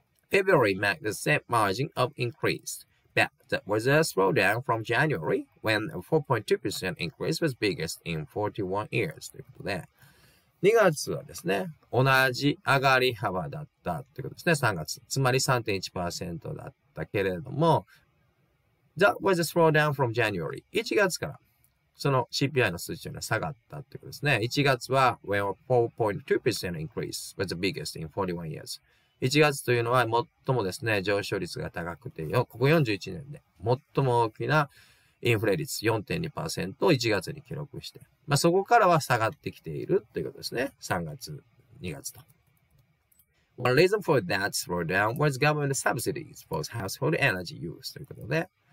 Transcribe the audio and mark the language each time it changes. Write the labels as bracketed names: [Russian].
[English] February marked the same margin of increase, but there was a slowdown from January when a 4.2% increase was biggest in 41 years [Japanese] ということで、2月はですね、同じ上がり幅だったということですね、3月。つまり 3.1% だったけれども、 [English] That was a slowdown from January. [Japanese] 1月から、その CPI の数値が下がったということですね。 1月は、 [English] When a 4.2% increase was the biggest in 41 years. [Japanese] 1月というのは最もですね、上昇率が高くて、ここ41年で最も大きなインフレ率 4.2% を1月に記録して、まあ、そこからは下がってきているということですね。 3月、2月と。 [English] One reason for that slowdown was government subsidies for household energy use [Japanese] ということで。